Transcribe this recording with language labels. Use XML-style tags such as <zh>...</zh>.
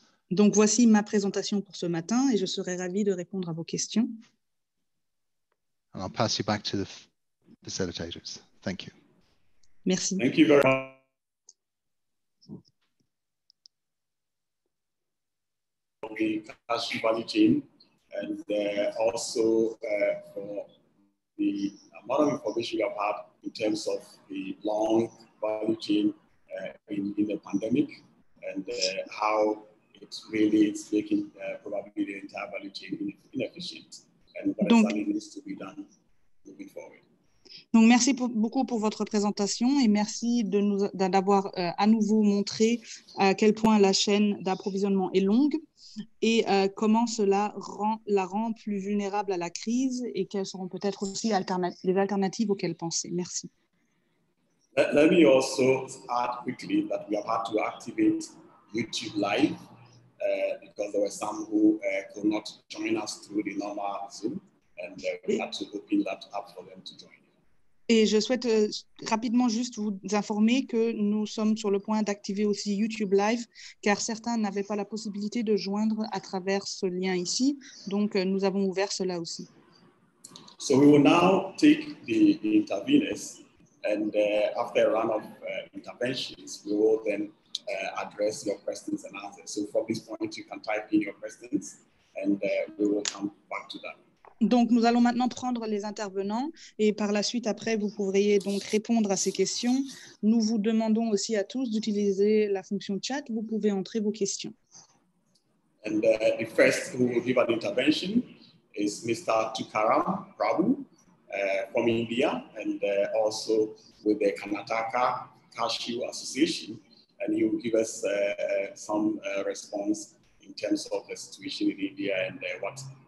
<fr>Donc voici ma présentation pour ce matin et je serai ravi de répondre à vos questions.</fr> <en>And I'll pass you back to the facilitators. Thank you.</en> <fr>Merci.</fr> <en>Thank you very much. The Cashew Valley team and also for the amount of information you have had in terms of the long value chain in the pandemic and how it really is making probably the entire value chain inefficient and what exactly needs to be done moving forward.</en> <fr>Donc, merci pour, beaucoup pour votre présentation et merci de nous, d'avoir à nouveau montré à quel point la chaîne d'approvisionnement est longue et comment cela rend, la rend plus vulnérable à la crise et quelles seront peut-être aussi les alternatives auxquelles penser. Merci.</fr> <en>Let me also add quickly that we have had to activate YouTube Live because there were some who could not join us through the normal Zoom and we had to open that up for them to join.</en> <fr>Et je souhaite rapidement juste vous informer que nous sommes sur le point d'activer aussi YouTube Live, car certains n'avaient pas la possibilité de joindre à travers ce lien ici. Donc, nous avons ouvert cela aussi.</fr> <en>So we will now take the interveners, and after a round of interventions, we will then address your questions and answers. So from this point, you can type in your questions, and we will come back to that.</en> <fr>Donc, nous allons maintenant prendre les intervenants et par la suite, après, vous pourriez donc répondre à ces questions. Nous vous demandons aussi à tous d'utiliser la fonction chat. Vous pouvez entrer vos questions.</fr> <en>And the first who will give an intervention is Mr. Tukaram Prabhu from India and also with the Karnataka Cashew Association. And he will give us some response in terms of the situation in India and what</en>